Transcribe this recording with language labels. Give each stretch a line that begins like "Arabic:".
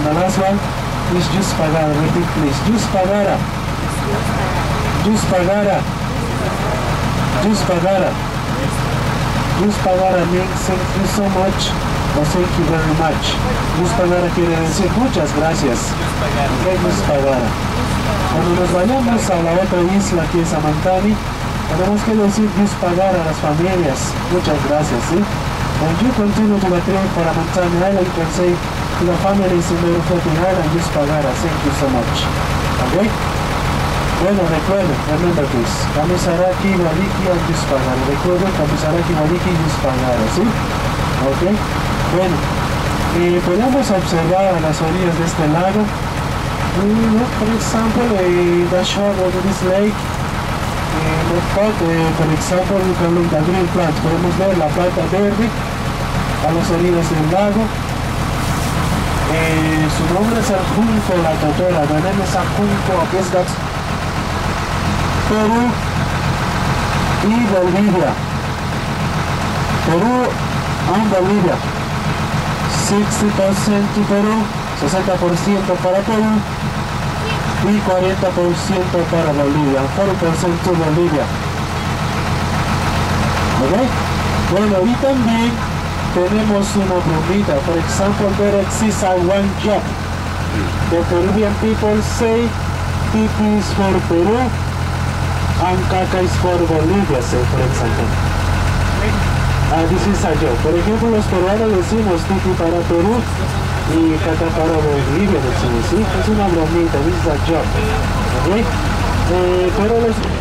English: The last one is just pagara. Repeat, please. Just pagara. Just pagara. Just pagara. Just pagara means thank you so much or thank you very much.
Spanish: Just pagara quiere decir muchas gracias. Okay, just pagara. Cuando nos vayamos a la otra isla que es Amantani, tenemos que decir just pagara a las familias. Muchas gracias, ¿sí?
English: When you continue to the trip for Amantani Island, you can say to the families in the Amantani Island, just pagara, thank you so much. Okay?
Spanish: Bueno, recuerden,
English: remember this. Kamisaraki, Waliki, and Yuspagara.
Spanish: Recuerden, Kamisaraki, Waliki, Yuspagara, ¿sí? Ok. Bueno, podemos observar a las orillas de este lago.
English: Look, for example, the shore of this lake. For example, you can look at the green plant.
Spanish: Podemos ver la planta verde a las orillas del lago. Su nombre es el Junco, la Totora.
English: The name is Junco, I guess that's Perú y Bolivia. Perú and Bolivia. 60% Perú, 60%
Spanish: para Perú. y 40% para Bolivia, 40% Bolivia. ¿Ok? Bueno, y también tenemos una bromita. Por ejemplo,
English: there exists a one job. The Peruvian people say it is for Peru and caca is for Bolivia, say,
Spanish: por ejemplo.
English: This is a job.
Spanish: Por ejemplo, los peruanos decimos titi para Perú y caca para Bolivia, decimos, ¿sí? Es una bromita,
English: this is a job.
Spanish: ¿Ok? Pero los...